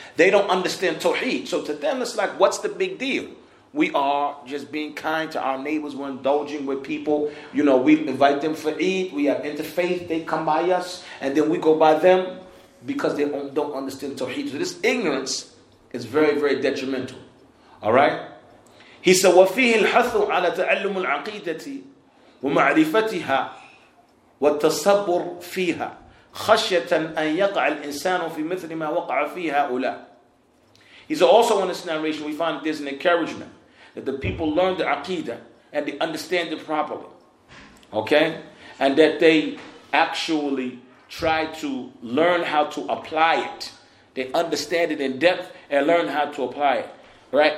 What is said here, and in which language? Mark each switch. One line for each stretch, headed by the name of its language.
English: They don't understand Tawheed. So to them, it's like, what's the big deal? We are just being kind to our neighbors. We're indulging with people. You know, we invite them for Eid. We have interfaith. They come by us. And then we go by them because they don't understand Tawheed. So this ignorance is very, very detrimental. All right? He said,
Arabic: وَفِيهِ الْحَثُ عَلَى تَعَلُّمُ الْعَقِيدَةِ وَمَعْرِفَتِهَا والتصبر فيها خشية أن يقع الإنسان في مثل ما وقع فيها أولى.
English: He's also in this narration, we find there's an encouragement that the people learn the aqidah and they understand it properly. Okay? and that they actually try to learn how to apply it. They understand it in depth and learn how to apply it, right?